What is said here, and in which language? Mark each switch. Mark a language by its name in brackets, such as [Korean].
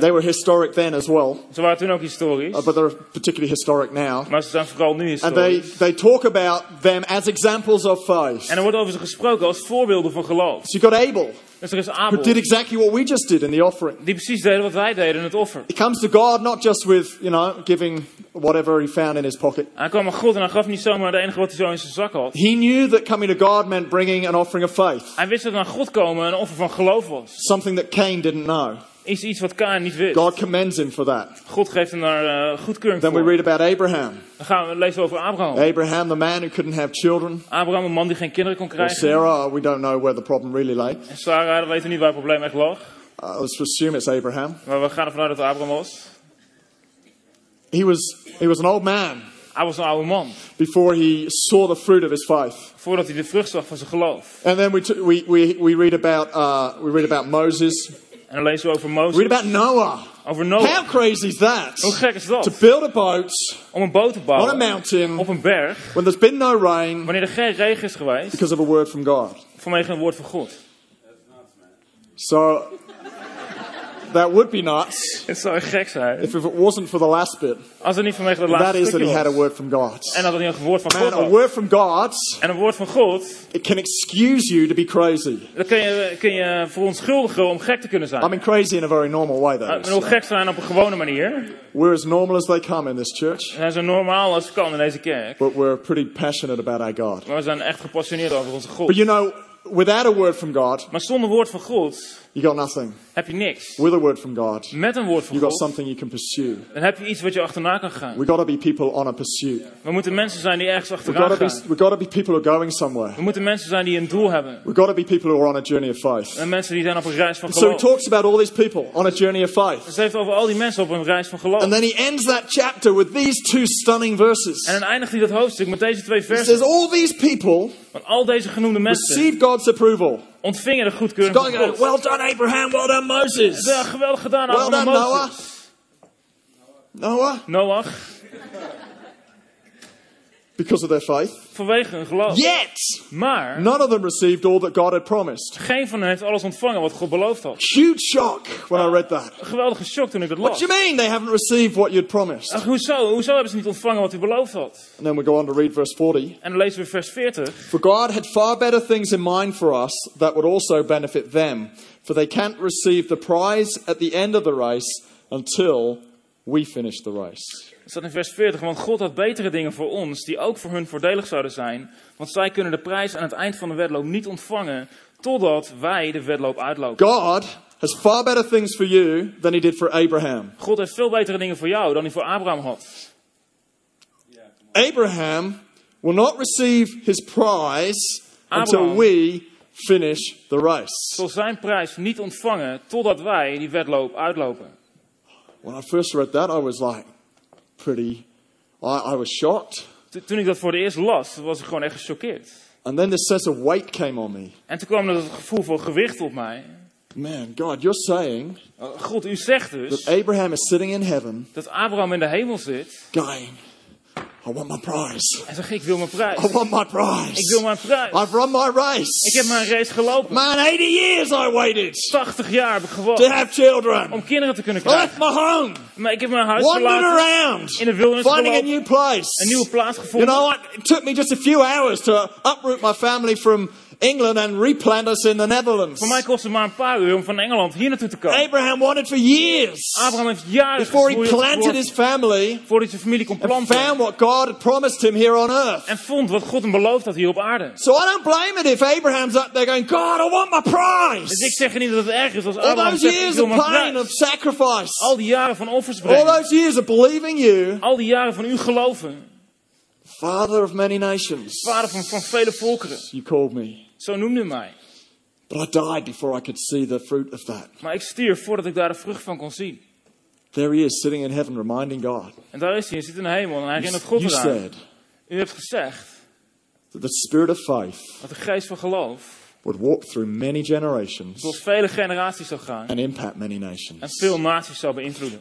[English] They were historic then as well. [Dutch] Ze waren toen ook historisch. [English] But they're particularly historic now. [Dutch] Maar ze zijn vooral nu historisch. [English] And they talk about them as examples of faith. [Dutch] En er wordt over ze gesproken als voorbeelden van geloof. [English] So you got Abel. [Dutch] Dus er is Abel. [English] Who did exactly what we just did in the offering. [Dutch] Die precies deden wat wij deden in het offer. [English] He comes to God not just with, you know, giving whatever he found in his pocket. [Dutch] Hij kwam aan God en hij gaf niet zomaar het enige wat hij zo in zijn zak had. [English] He knew that coming to God meant bringing an offering of faith. [Dutch] Hij wist dat naar God komen een offer van geloof was. [English] Something that Cain didn't know. [Dutch] Is iets wat Cain niet wist. [English] God commends him for that. [Dutch] God geeft hem daar goedkeuring [English] then [Dutch] voor. [English] Then we read about Abraham. [Dutch] Dan gaan we lezen over Abraham. [English] Abraham, the man who couldn't have children. [Dutch] Abraham, een man die geen kinderen kon krijgen. [English] Or Sarah, we don't know where the problem really lay. [Dutch] En Sarah, we weten niet waar het probleem echt lag. [English] Let's assume it's Abraham. [Dutch] Maar we gaan ervan uit dat het Abraham was. [English] He was an old man. [Dutch] Hij was een oude man. [English] Before he saw the fruit of his faith. [Dutch] Voordat hij de vrucht zag van zijn geloof. [English] And then we read about Moses. [Dutch] En dan lezen we over Moses. [English] Read about Noah. [Dutch] Over Noah. [English] How crazy is that? [Dutch] Hoe gek is dat? [English] To build a boat. [Dutch] Om een boot te bouwen. [English] On a mountain. [Dutch] Op een berg. [English] When there's been no rain. [Dutch] Wanneer er geen regen is geweest. [English] Because of a word from God. [Dutch] Vanwege een woord van God. [English] That's nuts, man. So that would be nuts. [Dutch] Het zou gek zijn. [English] If it wasn't for the last bit. [Dutch] Als het niet vanwege de laatste stukje. [English] That is that he had a word from God. [Dutch] En dat hij een woord van God had. [English] A word from God. [Dutch] En een woord van God. [English] It can excuse you to be crazy. [Dutch] Dan kun je verontschuldigen om gek te kunnen zijn. [English] I mean crazy in a very normal way though. [Dutch] Maar gek zijn op een gewone manier. [English] We're as normal as they come in this church. [Dutch] We zijn zo normaal als kan in deze kerk. [English] But we're pretty passionate about our God. [Dutch] Maar we zijn echt gepassioneerd over onze God. [English] But you know, without a word from God. [Dutch] Maar zonder woord van God. [English] You got nothing. [Dutch] Heb je niks. [English] With a word from God. [Dutch] Met een woord van [English] you got [Dutch] God. [English] Something you can pursue. [Dutch] Dan heb je iets wat je achterna kan gaan. [English] We got to be people on a pursuit. [Dutch] We moeten mensen zijn die ergens achterna gaan. [English] We got to be people who are going somewhere. [Dutch] We moeten mensen zijn die een doel hebben. [English] We got to be people who are on a journey of faith. [Dutch] En mensen die zijn op een reis van geloof. [English] So he talks about all these people on a journey of faith. [Dutch] Dus hij heeft over al die mensen op een reis van geloof. [English] And then he ends that chapter with these two stunning verses. [Dutch] En dan eindigt hij dat hoofdstuk met deze twee versen. [English] He says all these people. [Dutch] Want al deze genoemde mensen. [English] Receive God's approval. [Dutch] Ontvingen de goedkeuring van God. [English] Well done, Abraham. Well done, Moses. [Dutch] Ja, geweldig gedaan, Abraham. [English] Well done, Moses. Noah. [Dutch] Noah. [English] Because of their faith. [Dutch] Vanwege hun geloof. [English] Yet. [Dutch] Maar. [English] None of them received all that God had promised. [Dutch] Geen van hen heeft alles ontvangen wat God beloofd had. [English] Huge shock when I read that. [Dutch] Geweldige shock toen ik dat las. [English] What do you mean they haven't received what you'd promised? [Dutch] Hoezo hebben ze niet ontvangen wat u beloofd had? [English] And then we go on to read verse 40. [Dutch] En dan lezen we vers 40. [English] For God had far better things in mind for us that would also benefit them. For they can't receive the prize at the end of the race until we finish the race. [Dutch] Het staat in vers 40, want God had betere dingen voor ons, die ook voor hun voordelig zouden zijn, want zij kunnen de prijs aan het eind van de wedloop niet ontvangen, totdat wij de wedloop uitlopen. [English] God has far better things for you than he did for Abraham. [Dutch] God heeft veel betere dingen voor jou dan hij voor Abraham had. [English] Abraham will not receive his prize until we finish the race. [Dutch] Zal zijn prijs niet ontvangen, totdat wij die wedloop uitlopen. [English] When I first read that, I was like, I was shocked. [Dutch] Toen ik dat voor de eerst las, was ik gewoon echt gechoqueerd. [English] And then this sense of weight came on me. [Dutch] En toen kwam er dat gevoel van gewicht op mij. [English] Man, God, you're saying. [Dutch] God, u zegt dus. [English] That Abraham is sitting in heaven. [Dutch] Dat Abraham in de hemel zit. [English] Going, I want my prize. [Dutch] En zeg ik wil mijn prijs. [English] I want my prize. [Dutch] Ik wil mijn prijs. [English] I've run my race. [Dutch] Ik heb mijn race gelopen. [English] Man, 80 years I waited. [Dutch] 80 jaar heb ik gewacht. [English] To have children. [Dutch] Om kinderen te kunnen krijgen. [English] Left my home. [Dutch] Maar ik heb mijn huis [English] wandered [Dutch] verlaten. [English] Around. [Dutch] In de wildernis [English] finding [Dutch] gelopen. [English] A new place. [Dutch] Een nieuwe plaats gevonden. [English] You know, it took me just a few hours to uproot my family from England and replant us in the Netherlands. [Dutch] Voor mij kostte het maar een paar uur om van Engeland hier naartoe te komen. [English] Abraham wanted for years. [Dutch] Abraham heeft jaren [English] before he planted his family. [Dutch] Voordat zijn familie kon planten. [English] And found what God had promised him here on earth. [Dutch] En vond wat God hem beloofd had hier op aarde. [English] So I don't blame it if Abraham's up there going, God, I want my prize. [Dutch] Dus ik zeg niet dat het erg is als Abraham. [English] All those years of pain of sacrifice. [Dutch] Al die jaren van offers brengen. [English] All those years of believing you. [Dutch] Al die jaren van u geloven. [English] Father of many nations. [Dutch] Vader van vele volkeren. [English] You called me. [Dutch] Zo noemde mij. [English] But I died before I could see the fruit of that. [Dutch] Maar ik stierf voordat ik daar de vrucht van kon zien. [English] There he is sitting in heaven reminding God. [Dutch] En daar is hij zit in de hemel en hij herinnert God eraan. [English] You said. [Dutch] U hebt gezegd. [English] That the spirit of faith. [Dutch] Dat de geest van geloof. [English] Would walk through many generations. [Dutch] Door vele generaties zou gaan. [English] And impact many nations. [Dutch] En veel naties zou beïnvloeden.